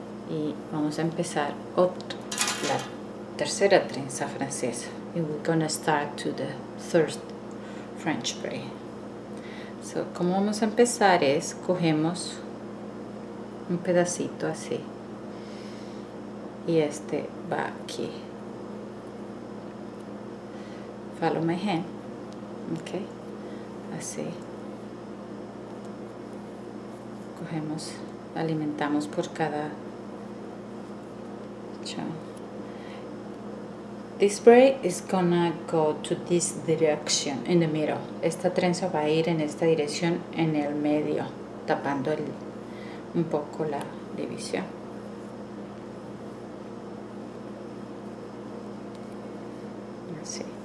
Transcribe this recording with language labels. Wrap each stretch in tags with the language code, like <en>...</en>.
<es>Y vamos a empezar la tercera trenza francesa.</es> <en>Y we're gonna start to the third French braid.</en> <es>So, como vamos a empezar es, cogemos un pedacito así. Y este va aquí.</es> <en>Follow my hand. Okay. Así.</en> <es>Cogemos, alimentamos por cada chunk.</es> <en>This braid is gonna go to this direction in the middle.</en> <es>Esta trenza va a ir en esta dirección en el medio, tapando un poco la división. Así.</es>